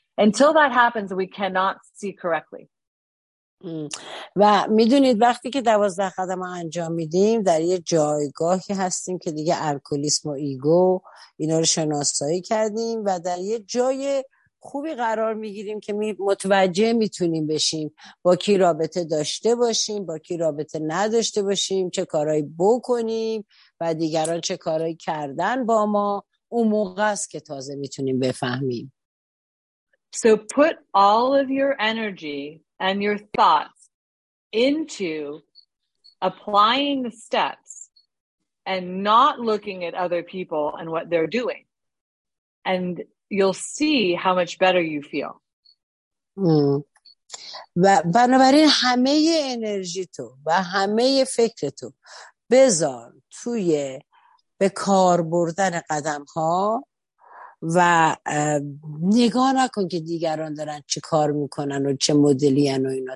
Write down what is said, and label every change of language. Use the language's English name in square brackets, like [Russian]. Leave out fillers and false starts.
[English] Until that happens, we cannot see correctly. [Persian] و میدونید وقتی که 12 قدم رو انجام میدیم در یه جایگاهی هستیم که دیگه الکلیسم و ایگو اینا رو شناسایی کردیم و در یه جای خوبی قرار میگیریم که متوجه میتونیم بشیم با کی رابطه داشته باشیم، با کی رابطه نداشته باشیم، چه کارهایی بکنیم و دیگران چه کارهایی کردن با ما. اون موقع است که تازه میتونیم بفهمیم. [English] So put all of your energy and your thoughts into applying the steps and not looking at other people and what they're doing, and you'll see how much better you feel. [Persian] و بنابراین همه انرژی تو و همه فکر تو بذار توی به کار بردن قدم ها و نگاه نکن که دیگران دارن چه کار میکنن و چه مدلی هن و اینا.